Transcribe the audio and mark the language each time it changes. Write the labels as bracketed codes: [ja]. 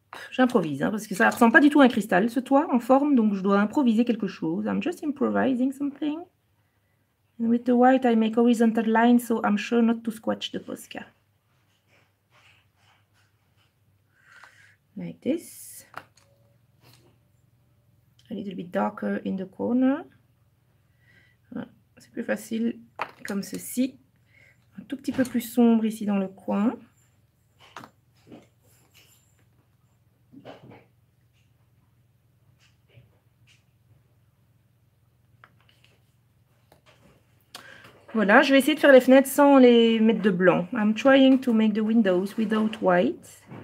[fr] J'improvise, hein, parce que ça ne ressemble pas du tout à un cristal, ce toit en forme, donc je dois improviser quelque chose. [en] I'm just improvising something. And with the white, I make horizontal lines, so I'm sure not to scratch the Posca. Like this. A little bit darker in the corner. [fr] C'est plus facile comme ceci. Un tout petit peu plus sombre ici dans le coin. Voilà, je vais essayer de faire les fenêtres sans les mettre de blanc. [en] I'm trying to make the windows without white.